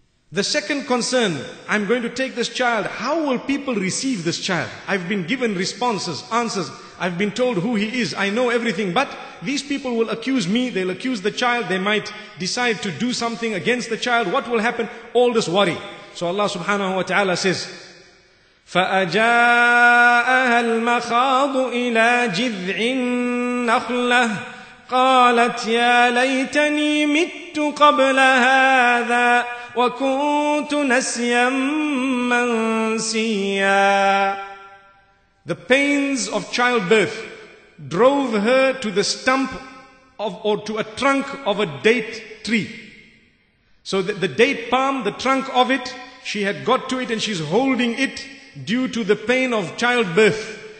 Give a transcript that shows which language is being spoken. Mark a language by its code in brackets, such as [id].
[en] The second concern, I'm going to take this child. How will people receive this child? I've been given responses, answers. I've been told who he is. I know everything. But these people will accuse me. They'll accuse the child. They might decide to do something against the child. What will happen? All this worry. So Allah subhanahu wa ta'ala says, [ar] فَأَجَاءَهَا الْمَخَاضُ إِلَىٰ جِذْعِ النَّخْلَةِ قالت يا ليتني مت قبل هذا وكنت نسيا منسيا. [en] The pains of childbirth drove her to the stump of, or to a trunk of a date tree. So the date palm, the trunk of it, she had got to it and she's holding it due to the pain of childbirth.